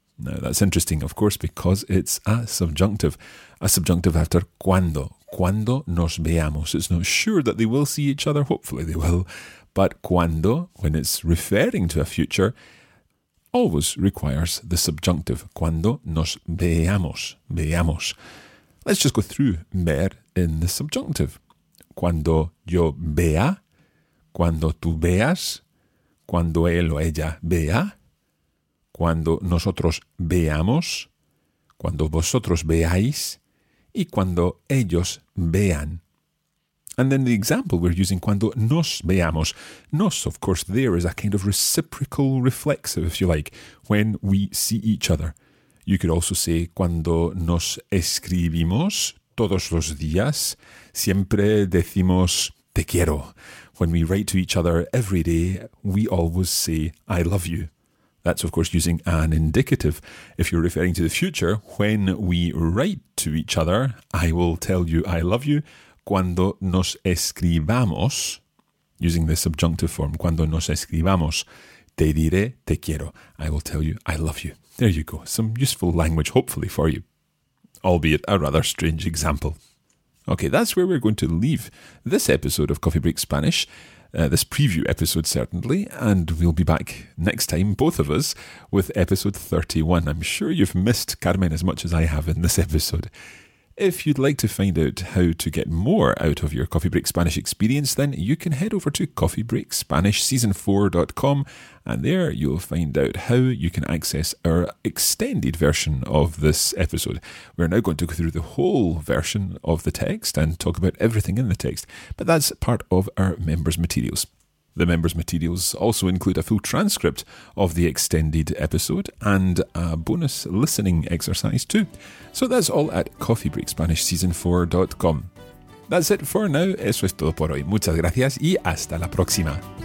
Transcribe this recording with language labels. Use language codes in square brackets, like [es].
[en] Now, that's interesting, of course, because it's a subjunctive after cuando, [es] cuando nos veamos. [en] It's not sure that they will see each other, hopefully they will, but cuando, when it's referring to a future, always requires the subjunctive, [es] cuando nos veamos, veamos. [en] Let's just go through ver in the subjunctive. [es] Cuando yo vea, cuando tú veas, cuando él o ella vea, cuando nosotros veamos, cuando vosotros veáis, y cuando ellos vean. [en] And then the example we're using, [es] cuando nos veamos. [en] Nos, of course, there is a kind of reciprocal reflexive, if you like, when we see each other. You could also say, [es] cuando nos escribimos todos los días, siempre decimos, te quiero. [en] When we write to each other every day, we always say, I love you. That's, of course, using an indicative. If you're referring to the future, when we write to each other, I will tell you I love you. [es] Cuando nos escribamos, [en] using the subjunctive form, [es] cuando nos escribamos, te diré te quiero. [en] I will tell you I love you. There you go. Some useful language, hopefully, for you. Albeit a rather strange example. Okay, that's where we're going to leave this episode of Coffee Break Spanish. This preview episode, certainly, and we'll be back next time, both of us, with episode 31. I'm sure you've missed Carmen as much as I have in this episode. If you'd like to find out how to get more out of your Coffee Break Spanish experience, then you can head over to coffeebreakspanishseason4.com, and there you'll find out how you can access our extended version of this episode. We're now going to go through the whole version of the text and talk about everything in the text, but that's part of our members' materials. The members' materials also include a full transcript of the extended episode and a bonus listening exercise too. So that's all at coffeebreakspanishseason4.com. That's it for now. [es] Eso es todo por hoy. Muchas gracias y hasta la próxima.